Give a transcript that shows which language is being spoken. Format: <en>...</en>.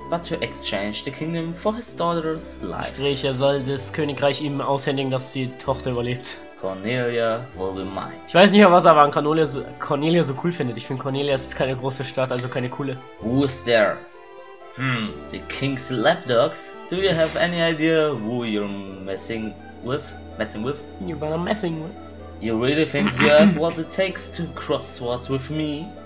<en>But to exchange the kingdom for his daughter's life.</en> <de>Sprich, er soll das Königreich ihm aushändigen, dass die Tochter überlebt.</de> <en>Cornelia will be mine.</en> <de>Ich weiß nicht, was aber an Cornelia so cool findet. Ich finde, Cornelia ist keine große Stadt, also keine coole.</de> <en>Who is there? The king's lapdogs? Do you have any idea who you're messing with? Messing with? You better messing with. You really think you have what it takes to cross swords with me?</en>